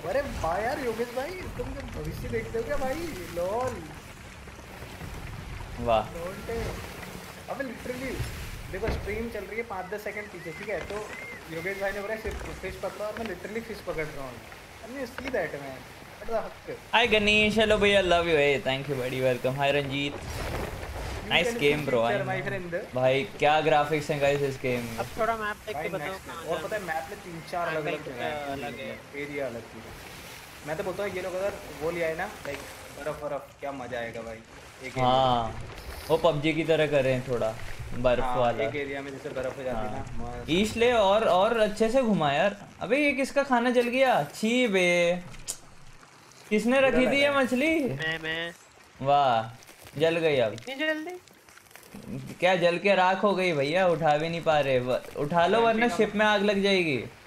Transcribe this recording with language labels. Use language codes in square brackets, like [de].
[hi] अरे भाई यार योगेश भाई, तुम भविष्य देखते हो क्या भाई? लोल, वाह। अबे लिटरली देखो स्ट्रीम चल रही है 5-10 सेकंड पीछे, ठीक है? तो योगेश भाई ने बोला सिर्फ फिश पकड़ो और मैं लिटरली फिश पकड़ रहा हूं। [en] I mean see that man. Hi Ganesh, hello bhai, I love you. Hey, thank you buddy, welcome. Hi Ranjit, nice game bro. My friend [hi] bhai, kya graphics hai guys is game. Ab thoda map dekh ke batao, aur pata hai map mein 3-4 alag alag area alag hai. Main to bolta hu ye log agar wo liye na like barf barf, kya maza aayega bhai. Ek ha wo PUBG ki tarah kar rahe hain thoda बर्फ वाला एक area में जैसे बर्फ हो जाती है ना। ईस्ट ले और अच्छे से घुमा यार। अबे ये किसका खाना जल गया? छी बे, किसने रखी थी ये मछली? मैं वाह, जल गई। अब इतनी जल्दी क्या? जल के राख हो गई भैया, उठा भी नहीं पा रहे। उठा लो वरना शिप में आग लग जाएगी।